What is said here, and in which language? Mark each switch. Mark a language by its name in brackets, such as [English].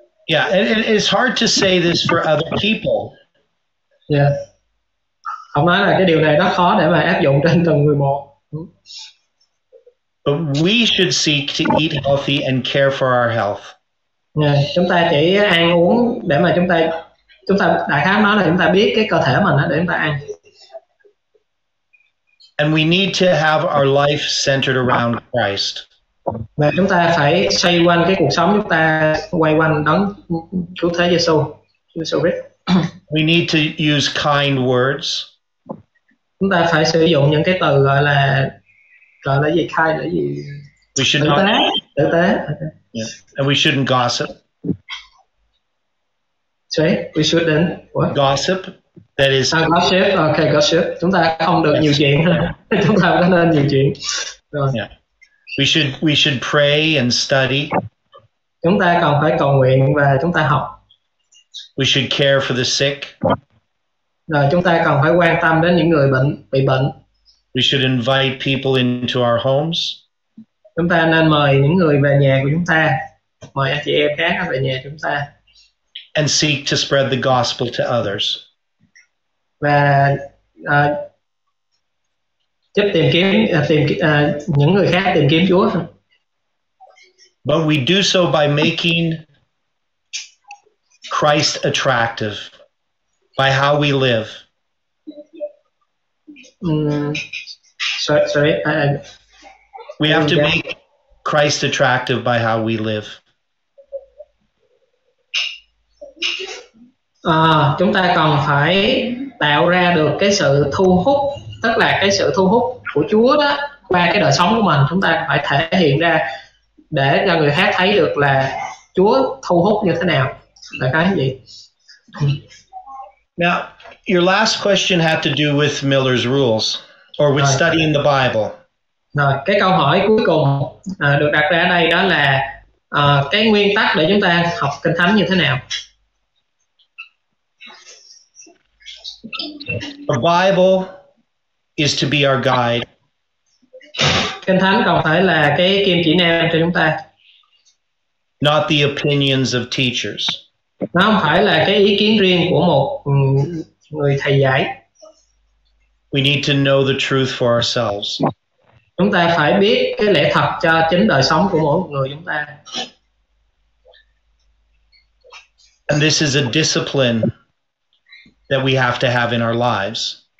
[English] and it's hard to say this for other people. Yeah. [Vietnamese] Ông nói là cái điều này nó khó để mà áp dụng trên từng người một. [English] But we should seek to eat healthy and care for our health. [Vietnamese] Yeah, chúng ta chỉ ăn uống để mà chúng ta đại khái nói là chúng ta biết cái cơ thể mình đó để chúng ta ăn. [English] And we need to have our life centered around Christ. [Vietnamese] Và chúng ta phải xoay quanh cái cuộc sống chúng ta quay quanh đấng Chúa Thế Giêsu. [English] We need to use kind words. [Vietnamese] Chúng ta phải sử dụng những cái từ gọi là gì kind, là gì. [English] We should not. [Vietnamese] Tử tế. [English] Yeah. And we shouldn't gossip. Sorry, we shouldn't what? Gossip. That is. Gossip. Okay, gossip. [Vietnamese] Chúng ta không được nhiều chuyện. Chúng ta không nên nhiều chuyện. [English] Rồi. Yeah. We should pray and study. [Vietnamese] Chúng ta cần phải cầu nguyện và chúng ta học. [English] We should care for the sick. [Vietnamese] Rồi chúng ta cần phải quan tâm đến những người bị bệnh. [English] We should invite people into our homes. [Vietnamese] Chúng ta nên mời những người về nhà của chúng ta. Mời anh chị em khác về nhà chúng ta. [English] And seek to spread the gospel to others. [Vietnamese] Và giúp tìm kiếm những người khác tìm kiếm Chúa. [English] But we do so by making Christ attractive by how we live. We have to make Christ attractive by how we live. [Vietnamese] Chúng ta cần phải tạo ra được cái sự thu hút, tức là cái sự thu hút của Chúa đó qua cái đời sống của mình. Chúng ta phải thể hiện ra để cho người khác thấy được là Chúa thu hút như thế nào. Là cái gì? [English] Now, your last question had to do with Miller's rules or with studying the Bible. [Vietnamese] Rồi, cái câu hỏi cuối cùng được đặt ra đây đó là cái nguyên tắc để chúng ta học Kinh Thánh như thế nào. [English] The Bible is to be our guide. [Vietnamese] Kinh Thánh còn phải là cái kim chỉ nam cho chúng ta. [English] Not the opinions of teachers. [Vietnamese] Nó không phải là cái ý kiến riêng của một người thầy dạy. [English] We need to know the truth for ourselves. [Vietnamese] Chúng ta phải biết cái lẽ thật cho chính đời sống của mỗi người chúng ta. [English] And this is a discipline that we have to have in our lives.